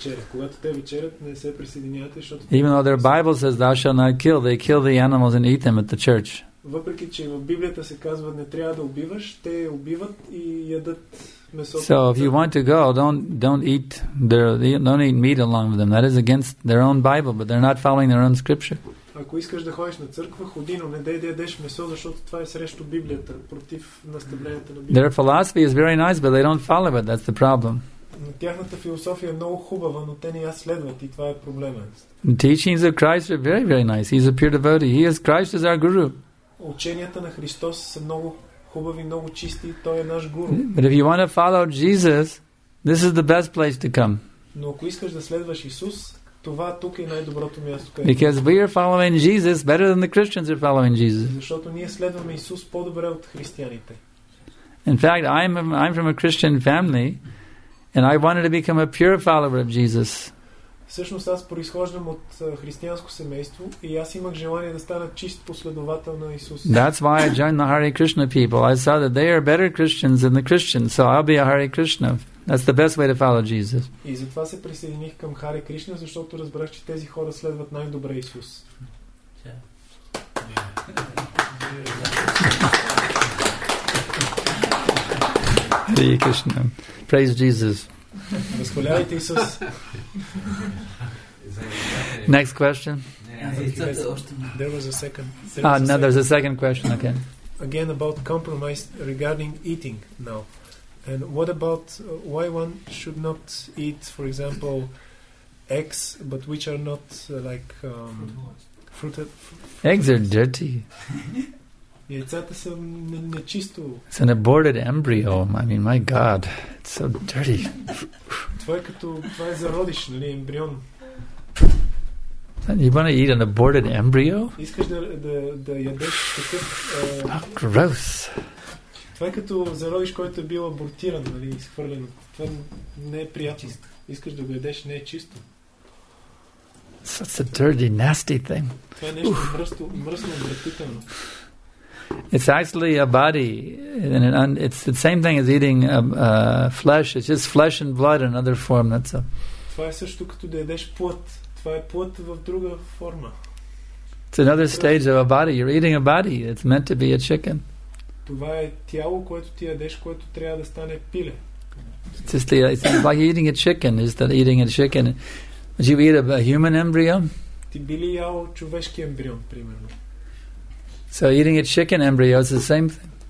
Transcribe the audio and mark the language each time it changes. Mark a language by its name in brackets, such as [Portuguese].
[Bulgarian] Когато те вечерят, не се присъединявате, защото. [English] Even though their Bible says thou shall not kill, they kill the animals and eat them at the church. [Bulgarian] Въпреки че в Библията се казва не трябва да убиваш, те убиват и ядат месото. [English] So if you want to go, don't eat meat along with them. That is against their own Bible, but they're not following their own scripture. [Bulgarian] Ако искаш да ходиш на църква, ходи, но не дей да ядеш месо, защото това е срещу Библията, против наставленията на Библията. [English] Their philosophy is very nice, but they don't follow it. That's the problem. [Bulgarian] Тяхната философия е много хубава, но те не я следват и това е проблема. [English] The teachings of Christ are very, very nice. He's a pure devotee. He is Christ is our guru. [Bulgarian] Ученията на Христос са много хубави, много чисти. Той е наш гуру. [English] But if you want to follow Jesus, this is the best place to come. [Bulgarian] Но ако искаш да следваш Исус, това тук е най-доброто място. [English] Because we are following Jesus better than the Christians are following Jesus. [Bulgarian] Защото ние следваме Исус по-добре от християните. [English] In fact, I'm from a Christian family. And I wanted to become a pure follower of Jesus. [Bulgarian] Всъщност аз произхождам от християнско семейство и аз имах желание да стана чист последовател на Исус. [English] That's why I joined the Hare Krishna people. I saw that they are better Christians than the Christians, so I'll be a Hare Krishna. That's the best way to follow Jesus. [Bulgarian] И затова се присъединих към Hare Krishna, защото разбрах, че тези хора следват най-добре Исус. [English] Hare Krishna. Praise Jesus. [Bulgarian] Възхваляйте Исус. [English] Next question. There was a second. There's a second question again. Again about compromise regarding eating now. And what about why one should not eat, for example, eggs, but which are not like fruit. Eggs are dirty. It's an aborted embryo. I mean, my God, it's so dirty. You want to eat an aborted embryo? Oh, gross. [Bulgarian] Това е като за родиш, който е бил абортиран, нали, изхвърлен. Това не е приятно. Искаш да го ядеш, не е чисто. [English] Such a dirty, nasty thing. [Bulgarian] Това е нещо мръсно, мръсно, отвратително. [English] It's actually a body, and it's the same thing as eating flesh. It's just flesh and blood in another form. That's a. [Bulgarian] Това е също като да ядеш плът. Това е плът в друга форма. [English] It's another stage of a body. You're eating a body. It's meant to be a chicken. [Bulgarian] Това е тяло, което ти ядеш, което трябва да стане пиле. [English] It's like eating a chicken. Is that eating a chicken? Would you eat a human embryo? [Bulgarian] Ти би ли ял човешки ембрион, примерно? [English] So eating a chicken embryo is the same thing.